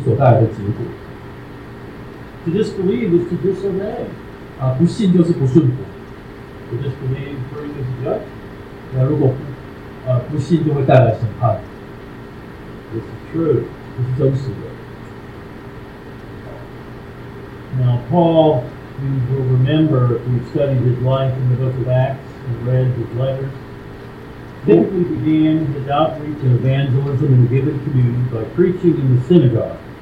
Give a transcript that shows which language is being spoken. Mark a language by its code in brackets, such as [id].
[zh] 顺服总是信心所结的果子，它是果子，是信心所带来的结果。 [en] To disbelieve is to disobey. [zh] 不信就是不顺服。 [en] To disbelieve brings judgment. [zh] 那如果不信就会带来审判。 [en] This is true. [zh] 这是真实的。 [en] Now Paul, you will remember if you studied his life in the book of Acts and read his letters, typically began his outreach and evangelism in a given community by preaching in the synagogue.